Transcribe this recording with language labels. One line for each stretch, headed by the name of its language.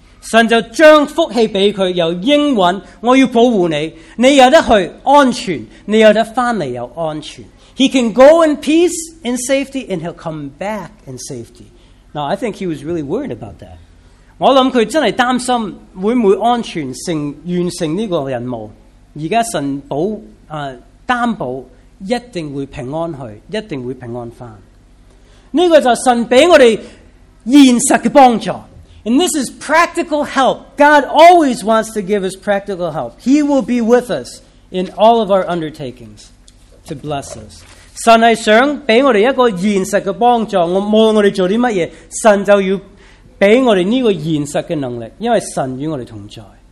Chinese: 神就将福气给他，又应允我要保护你，你有得去安全，你有得回来又安全。
English: He can go in peace and safety, and he'll come back in safety. Now, I think he was really worried about that.
Chinese: 我想他真的担心会不会安全成完成这个任务。现在神保担保一定会平安去，一定会平安回。这个就是神给我们现实的帮助。
English: And this is practical help. God always wants to give us practical help. He will be with us in all of our undertakings to bless us.
Chinese: 神是想给我们一个现实的帮助，无论我们做什么，神就要给我们这个现实的能力，因为神与我们同在。